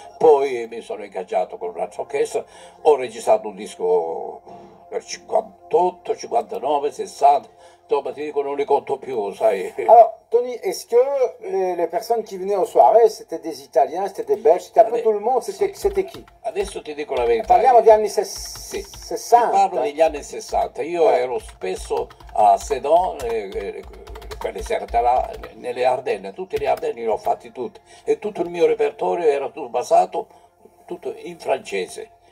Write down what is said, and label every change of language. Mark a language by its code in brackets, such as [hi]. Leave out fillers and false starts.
[it] Poi mi sono ingaggiato con una orchestra, ho registrato un disco per 58, 59, 60, insomma ti dico non li conto più, sai. [fr] Allora, Tony, est-ce que [it] le persone che venivano [fr] a soirée, c'était des Italiens, c'était des Belges, c'était un peu tout le monde, c'était chi? [it] Adesso ti dico la verità. Parliamo di anni 60. Ti parlo degli anni 60. Io ero spesso a Sedan, quelle serate là, nelle Ardenne, tutte le Ardenne le ho fatte tutte. E tutto il mio repertorio era tutto basato tutto in francese.